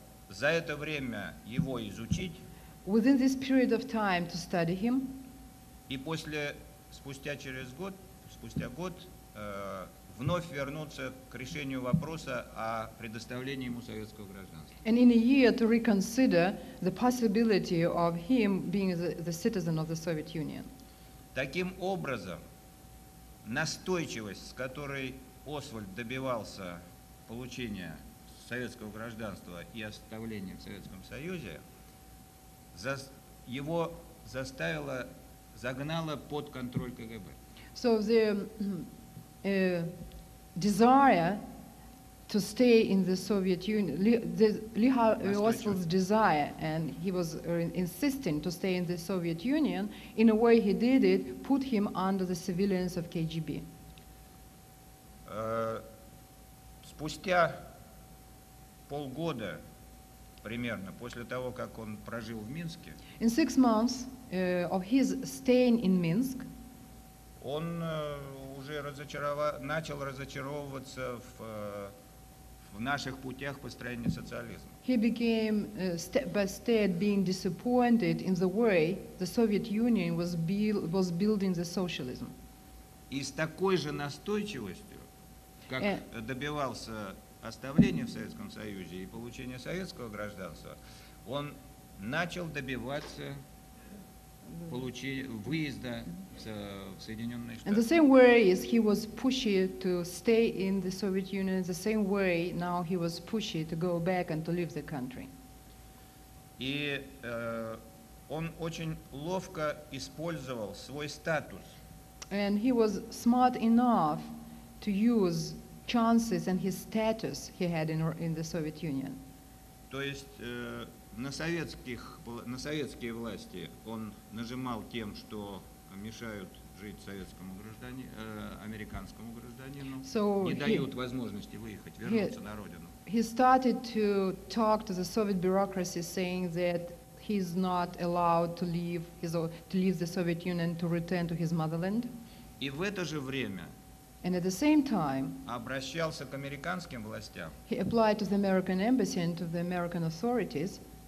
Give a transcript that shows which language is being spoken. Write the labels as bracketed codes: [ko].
[ru] За это время его изучить. [en] Within this period of time to study him. [ru] И после спустя через год, спустя год, вновь вернуться к решению вопроса о предоставлении ему советского гражданства. [en] And in a year to reconsider the possibility of him being the citizen of the Soviet Union. [ru] Таким образом, настойчивость, с которой Освальд добивался получения советского гражданства и оставления в Советском Союзе, его заставило, загнало под контроль КГБ. [en] So the desire to stay in the Soviet Union, Oswald's desire, and he was insisting to stay in the Soviet Union, in a way he did it, put him under the surveillance of KGB. [ru] Спустя полгода, примерно, после того, как он прожил в Минске, [en] in 6 months of his staying in Minsk, [ru] он уже начал разочаровываться в наших путях построения социализма. [en] He became step by step being disappointed in the way the Soviet Union was building the socialism. [ru] И с такой же настойчивостью, как добивался оставления в Советском Союзе и получения советского гражданства, он начал добиваться выезда в Соединенные Штаты. [en] And the same way is he was pushy to stay in the Soviet Union, the same way now he was pushy to go back and to leave the country. [ru] И он очень ловко использовал свой статус. [en] And he was smart enough to use chances and his status he had in the Soviet Union. [ru] То есть на советские власти он нажимал тем, что мешают жить советскому гражданину, американскому гражданину, [en] so [ru] не дают возможности выехать, вернуться на родину. [en] He started to talk to the Soviet bureaucracy, saying that he's not allowed to leave the Soviet Union, to return to his motherland. [ru] И в это же время. [en] And at the same time, [ru] обращался к американским властям. [en] He applied to the American embassy and to the American authorities.